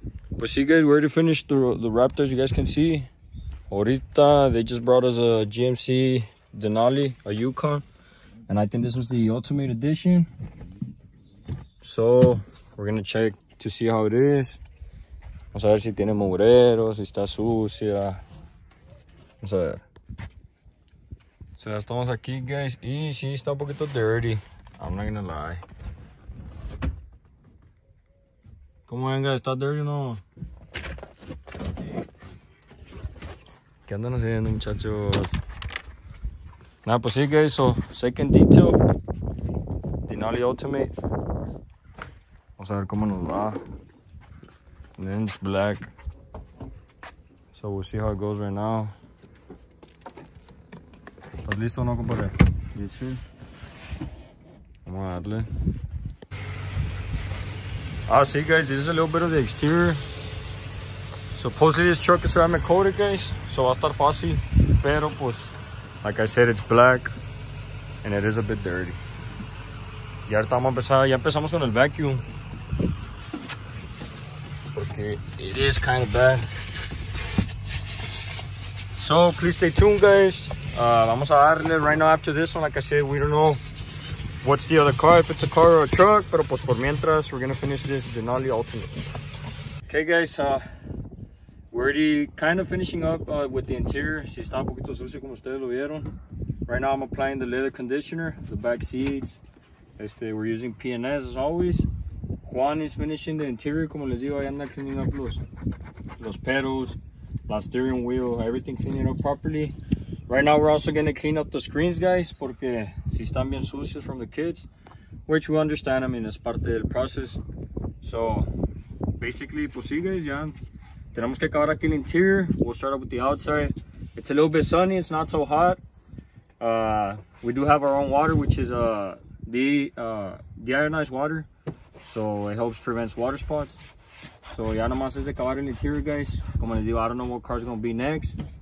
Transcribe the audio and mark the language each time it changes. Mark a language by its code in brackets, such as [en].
[en] But see, guys, we already finished the Raptors. You guys can see. Ahorita, they just brought us a GMC Denali, a Yukon. And I think this was the Ultimate Edition. So, we're going to check to see how it is. [es] Vamos a ver si tiene mugrero, si está sucia. Vamos a ver. So, ya estamos aquí, guys. Y sí, está un poquito dirty. [en] I'm not going to lie. [es] ¿Cómo ven, guys? ¿Está dirty o no? ¿Qué andan haciendo, muchachos? Nada, pues sí, guys. [en] So, second detail. Denali Ultimate. [es] Vamos a ver cómo nos va. [en] And then it's black. So, we'll see how it goes right now. [es] ¿Estás listo o no, compadre? [en] Yes, sir. [es] Vamos a darle. [en] Ah, see, guys, this is a little bit of the exterior. Supposedly, this truck is ceramic coated, guys, so [es] va a estar fácil. Pero, pues, [en] like I said, it's black and it is a bit dirty. [es] Y ahorita vamos a empezar, ya empezamos con el vacuum. [en] Porque it is kind of bad. So, please stay tuned, guys. [es] Vamos a darle [en] right now after this one. Like I said, we don't know what's the other car, if it's a car or a truck, [es] pero pues por mientras, [en] we're gonna finish this Denali Ultimate. Okay, guys, we're already kind of finishing up with the interior. [es] Si está un poquito sucio como ustedes lo vieron. [en] Right now, I'm applying the leather conditioner, the back seats. We're using P&S as always. Juan is finishing the interior, [es] como les digo, ahí anda [en] cleaning up los pedals, la steering wheel, everything cleaning up properly. Right now, we're also going to clean up the screens, guys, [es] porque si están bien sucios [en] from the kids, which we understand, I mean, it's part of the process. So, basically, [es] pues sí, guys, ya tenemos que acabar aquí el interior. [en] We'll start up with the outside. It's a little bit sunny, it's not so hot. We do have our own water, which is deionized water, so it helps prevent water spots. So [es] ya nomás es de acabar el interior, [en] guys. [es] Como les digo, [en] I don't know what car is going to be next.